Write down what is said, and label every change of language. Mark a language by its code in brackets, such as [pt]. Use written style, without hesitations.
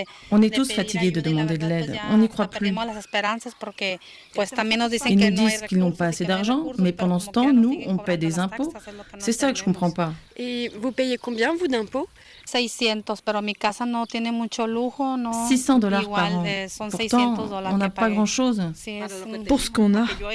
[fr] On est tous fatigués de demander de l'aide. On n'y croit plus. Ils nous disent qu'ils n'ont pas assez d'argent, mais pendant ce temps, nous, on paie des impôts. C'est ça que je ne comprends pas. Et vous payez combien, vous, d'impôts ? [es] 600, pero mi casa no tiene mucho lujo, no. [fr] 600 dollars par an. Pourtant, on n'a pas grand-chose. Pour ce qu'on a.